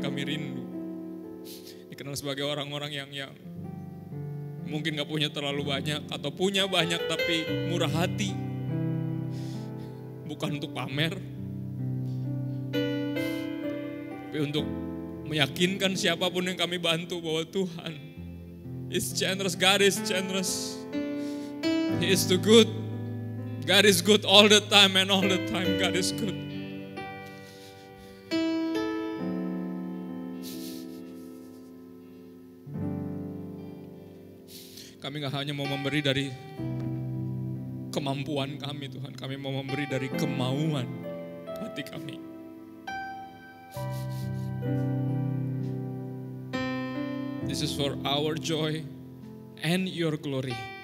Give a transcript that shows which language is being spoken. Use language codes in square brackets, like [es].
[id] Kami rindu dikenal sebagai orang-orang yang mungkin gak punya terlalu banyak atau punya banyak tapi murah hati. Bukan untuk pamer, tapi untuk meyakinkan siapapun yang kami bantu bahwa Tuhan [en] is generous. God is generous. He is too good. God is good all the time, and all the time God is good. [id] Kami gak hanya mau memberi dari kemampuan kami Tuhan, kami mau memberi dari kemauan hati kami. [en] This is for our joy and your glory.